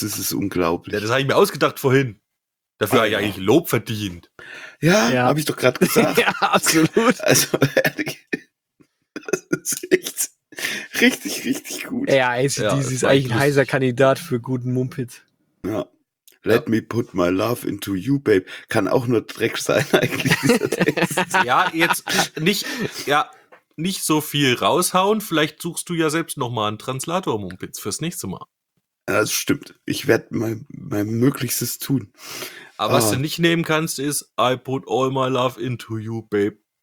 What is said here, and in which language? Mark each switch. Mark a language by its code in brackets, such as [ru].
[de] Das ist unglaublich. Ja, das habe ich mir ausgedacht vorhin. Dafür habe ich eigentlich Lob verdient. Ja, ja. Habe ich doch gerade gesagt. Ja, absolut. Also, ehrlich, das ist echt richtig, richtig gut. Ja, AC/DC ist eigentlich ein lustig. Heißer Kandidat für guten Mumpit. Ja. [en] Let me put my love into you, babe. [de] Kann auch nur Dreck sein, eigentlich, dieser Text. Ja, jetzt nicht so viel raushauen. Vielleicht suchst du ja selbst nochmal einen Translator-Mumpitz fürs nächste Mal. Das stimmt. Ich werde mein Möglichstes tun. Aber was du nicht nehmen kannst, ist [en] I put all my love into you, babe.